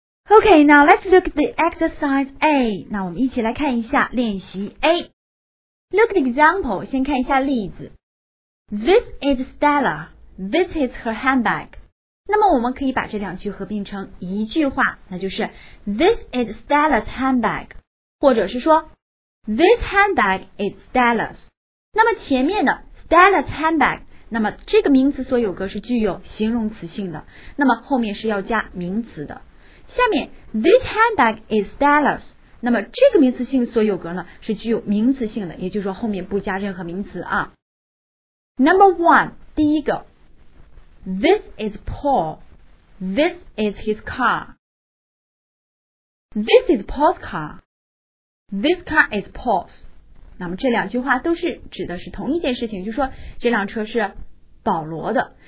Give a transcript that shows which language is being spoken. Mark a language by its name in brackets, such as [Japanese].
[English] Okay, now let's look at the exercise A. [Chinese] 那我们一起来看一下练习 A. [English] Look at the example, [Chinese] 先看一下例子。 [English] This is Stella. This is her handbag. [Chinese] 那么我们可以把这两句合并成一句话，那就是 [English] This is Stella's handbag. [Chinese] 或者是说 [English] This handbag is Stella's. [Chinese] 那么前面的 [English] Stella's handbag, [Chinese] 那么这个名词所有格是具有形容词性的，那么后面是要加名词的。下面 [English] This handbag is Stella's， [Chinese] 那么这个名词性所有格呢是具有名词性的，也就是说后面不加任何名词啊。 [English] Number one， [Chinese] 第一个 [English] This is Paul， This is his car， This is Paul's car， This car is Paul's。 [Chinese] 那么这两句话都是指的是同一件事情，就是说这辆车是保罗的。